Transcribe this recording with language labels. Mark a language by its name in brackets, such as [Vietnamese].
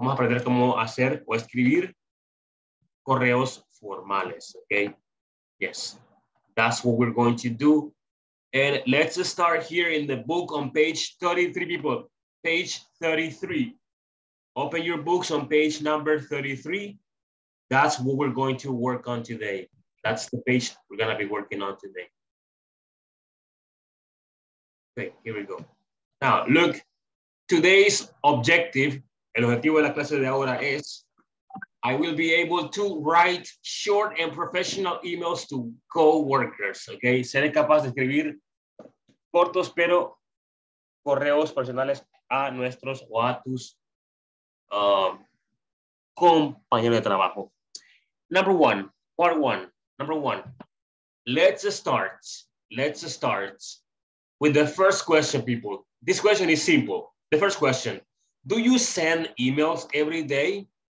[Spanish] Vamos a aprender cómo hacer o escribir correos formales, okay? [English] Yes, that's what we're going to do. And let's start here in the book on page 33, people. Page 33. Open your books on page number 33. That's what we're going to work on today. That's the page we're going to be working on today. Okay, here we go. Now, look, today's objective, [Spanish] el objetivo de la clase de ahora es, [English] I will be able to write short and professional emails to coworkers. [Spanish] Okay, seré capaz de escribir cortos pero correos personales a nuestros o a tus compañeros de trabajo. [English] Number one, let's start with the first question, people. This question is simple. The first question, do you send emails every day?